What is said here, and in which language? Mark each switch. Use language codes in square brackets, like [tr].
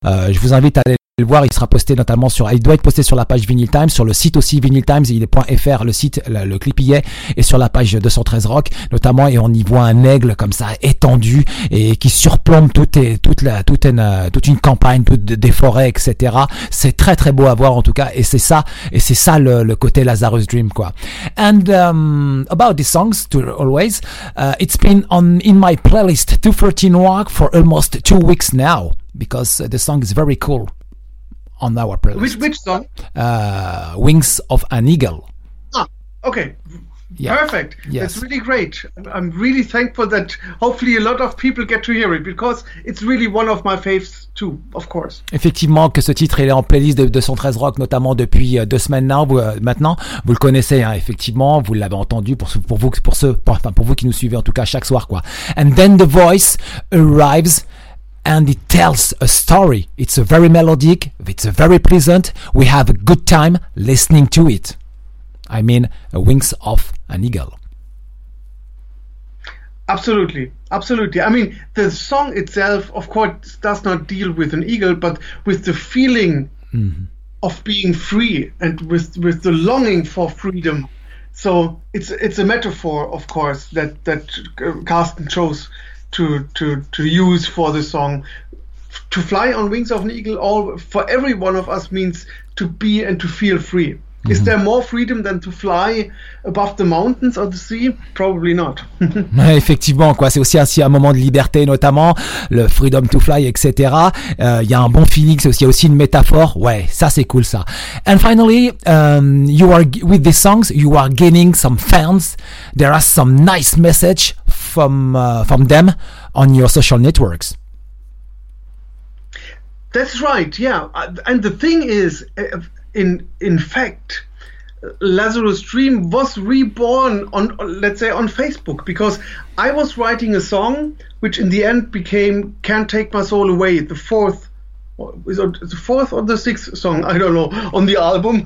[fr] Je vous invite à aller le voir, il sera posté notamment sur, il doit être posté sur la page Vinyl Times, sur le site aussi Vinyl Times, il est .fr, le site, le clip y est, et sur la page 213 Rock, notamment, et on y voit un aigle comme ça, étendu, et qui surplombe toute une campagne, des forêts, etc. C'est très très beau à voir, en tout cas, et c'est ça le côté Lazarus Dream, quoi. [en] And, about these songs, to always, it's been in my playlist 213 Rock for almost 2 weeks now, because the song is very cool. On our playlist. Which song? Wings of an Eagle. Ah, okay. Yeah. Perfect. Yes. That's really great. I'm really thankful that hopefully a lot of people get to hear it because it's really one of my faves too, of course. [fr] Effectivement, que ce titre est en playlist de 213 Rock, notamment depuis deux semaines maintenant. Vous le connaissez, hein, effectivement. Vous l'avez entendu pour vous qui nous suivez en tout cas chaque soir, quoi. [en] And then the voice arrives. And it tells a story. It's a very melodic. It's a very pleasant. We have a good time listening to it. I mean, Wings of an Eagle. Absolutely. Absolutely. I mean, the song itself, of course, does not deal with an eagle, but with the feeling mm-hmm. of being free and with the longing for freedom. So it's a metaphor, of course, that Carsten chose to use for the song. To fly on wings of an eagle all for every one of us means to be and to feel free. Mm-hmm. Is there more freedom than to fly above the mountains or the sea? Probably not. [fr] Effectivement, quoi, c'est aussi un moment de liberté, notamment le [en] freedom to fly, [fr] etc. Il y a un bon feeling, c'est aussi une métaphore. Ouais, ça c'est cool ça. [en] And finally, you are with these songs, you are gaining some fans. There are some nice message from them on your social networks. That's right. Yeah, and the thing is, in fact, Lazarus Dream was reborn on, let's say, on Facebook, because I was writing a song which in the end became Can't Take My Soul Away, the fourth or the sixth song, I don't know, on the album.